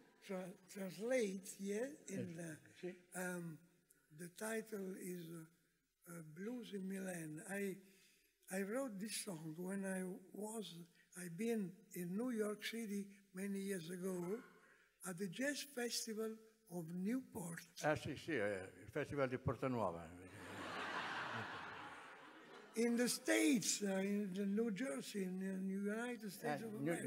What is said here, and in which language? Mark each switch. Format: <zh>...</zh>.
<en>And you translate, yeah, in the, the title is Blues in Milan. I wrote this song when I've been in New York City many years ago at the Jazz Festival of Newport.</en> <it>Ah, sì, sì, il Festival di Porta Nuova.</it> <en>In the States, in the New Jersey, in the United States of America.</en>